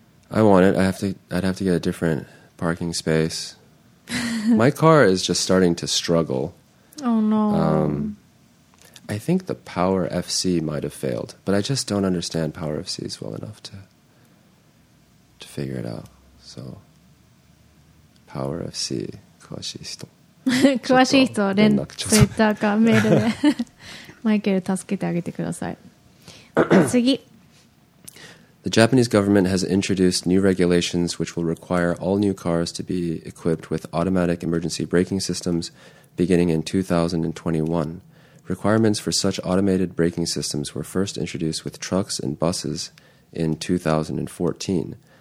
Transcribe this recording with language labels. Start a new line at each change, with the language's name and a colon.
English: I want it. I'd have to get a different parking space. My car is just starting to struggle. Oh no. I think the Power FC might have failed, but I just don't understand Power FCs well enough to figure it out.
Japanese: So Power FC, 詳しい人詳しい人連絡ツイッター かメールで マイケル 助けてあげてください。次。
English: The Japanese government has introduced new regulations which will require all new cars to be equipped with automatic emergency braking systems beginning in 2021. Requirements for such automated braking systems were first introduced with trucks and buses in 2014.